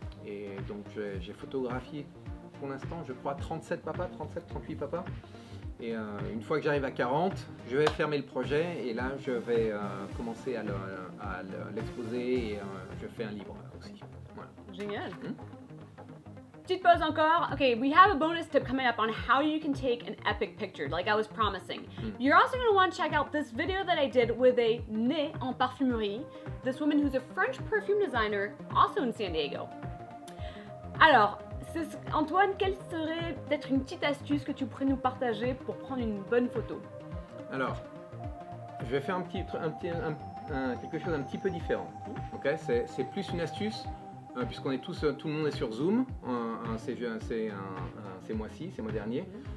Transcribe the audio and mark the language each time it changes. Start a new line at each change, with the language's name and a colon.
French: Et donc, j'ai photographié pour l'instant, je crois, 37 papas, 37, 38 papas. Et une fois que j'arrive à 40, je vais fermer le projet et là, je vais commencer à l'exposer et je fais un livre aussi. Voilà. Génial. Petite pause encore.
English: OK, we have a bonus tip coming up on how you can take an epic picture, like I was promising. You're also going to want to check out this video that I did with a
French: nez en parfumerie,
English: this woman who's a French perfume designer, also in San Diego.
French: Alors, Antoine, quelle serait peut-être une petite astuce que tu pourrais nous partager pour prendre une bonne photo? Alors, je vais faire quelque chose un petit peu différent. Okay? C'est plus une astuce, puisqu'on est tout le monde est sur Zoom, ces mois-ci, ces mois derniers.